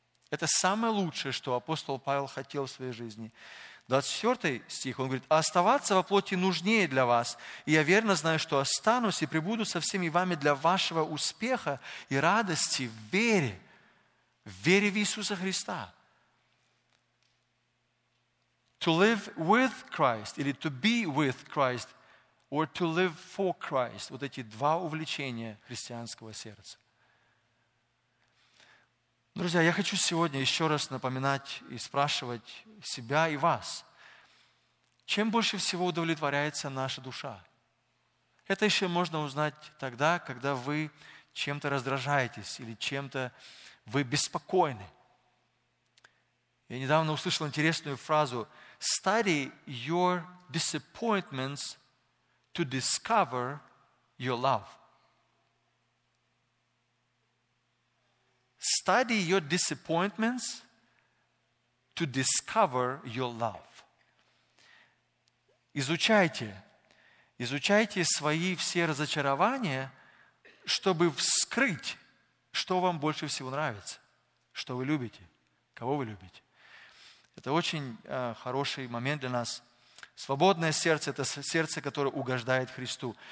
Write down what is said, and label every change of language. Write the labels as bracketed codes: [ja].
[ru] Это самое лучшее, что апостол Павел хотел в своей жизни. 24 стих, он говорит, «А оставаться во плоти нужнее для вас, и я верно знаю, что останусь и пребуду со всеми вами для вашего успеха и радости в вере в Иисуса Христа». [en] To live with Christ, или to be with Christ, or to live for Christ. [ru] Вот эти два увлечения христианского сердца. Друзья, я хочу сегодня еще раз напоминать и спрашивать себя и вас, чем больше всего удовлетворяется наша душа? Это еще можно узнать тогда, когда вы чем-то раздражаетесь или чем-то вы беспокойны. Я недавно услышал интересную фразу [en] «Study your disappointments to discover your love». Study your disappointments to discover your love. [ru] Изучайте свои все разочарования, чтобы вскрыть, что вам больше всего нравится, что вы любите, кого вы любите. Это очень хороший момент для нас. Свободное сердце – это сердце, которое угождает Христу.